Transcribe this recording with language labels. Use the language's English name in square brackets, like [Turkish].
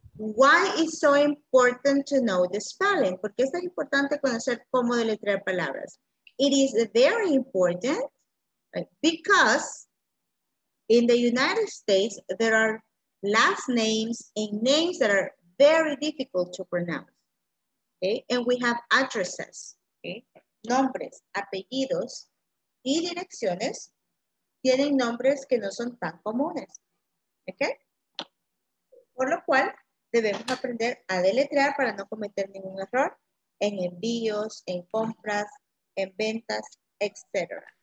[English] Why is so important to know the spelling? [Spanish] ¿Por qué es tan importante conocer cómo deletrear palabras? [English] It is very important, right? Because in the United States, there are last names and names that are very difficult to pronounce. Okay? And we have addresses, okay? [Spanish] Nombres, apellidos y direcciones tienen nombres que no son tan comunes. Okay? Por lo cual, debemos aprender a deletrear para no cometer ningún error en envíos, en compras, en ventas, etc.